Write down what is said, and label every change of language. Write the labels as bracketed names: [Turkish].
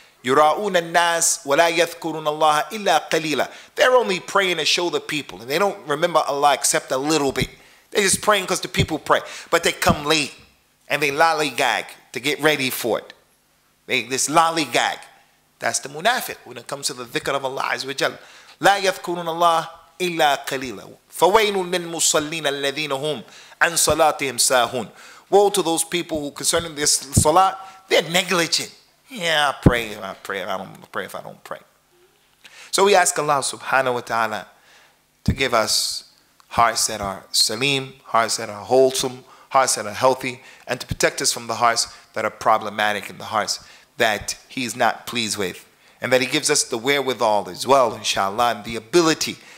[Arabic] يُرَاؤُونَ النَّاسِ وَلَا يَذْكُرُونَ اللَّهَ إِلَّا قَلِيلًا. [English] They're only praying to show the people, and they don't remember Allah except a little bit. They're just praying because the people pray. But they come late, and they lollygag to get ready for it. This lollygag. That's the munafiq when it comes to the dhikr of Allah Azza wa Jal. [Arabic] لَا يَذْكُرُونَ اللَّهَ إلا قليلا فوين للمصلين الذين هم عن صلاتهم ساهون. [English] Woe to those people who concerning this salat, they're negligent. Yeah, I pray if I don't pray. So we ask Allah subhanahu wa ta'ala to give us hearts that are saleem, hearts that are wholesome, hearts that are healthy, and to protect us from the hearts that are problematic and the hearts that He's not pleased with. And that He gives us the wherewithal as well, inshallah, and the ability